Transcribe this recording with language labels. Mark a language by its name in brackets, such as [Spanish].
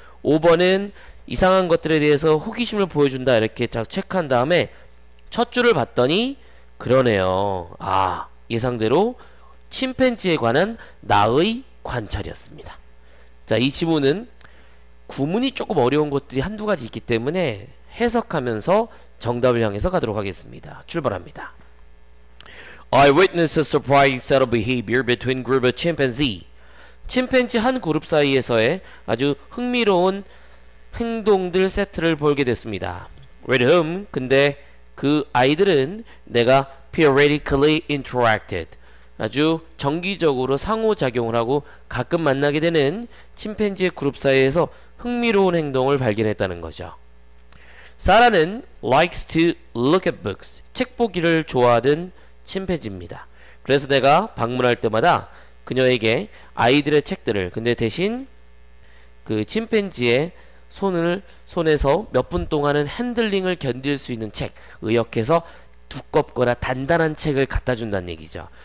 [Korean] 5번은 이상한 것들에 대해서 호기심을 보여준다 이렇게 딱 체크한 다음에 첫 줄을 봤더니 그러네요. 아, 예상대로 침팬지에 관한 나의 관찰이었습니다. 자, 이 지문은 구문이 조금 어려운 것들이 한두 가지 있기 때문에 해석하면서 정답을 향해서 가도록 하겠습니다. 출발합니다. [English] I witnessed a surprising set of behavior between group of chimpanzee. [Korean] 침팬지 한 그룹 사이에서의 아주 흥미로운 행동들 세트를 보게 됐습니다. [English] With whom? [Korean] 근데 그 아이들은 내가 [English] periodically interacted. [Korean] 아주 정기적으로 상호작용을 하고 가끔 만나게 되는 침팬지의 그룹 사이에서 흥미로운 행동을 발견했다는 거죠. [English] 사라는 likes to look at books. [Korean] 책 보기를 좋아하던 침팬지입니다. 그래서 내가 방문할 때마다 그녀에게 아이들의 책들을, 근데 대신 그 침팬지의 손에서 몇 분 동안은 핸들링을 견딜 수 있는 책, 의역해서 두껍거나 단단한 책을 갖다 준다는 얘기죠.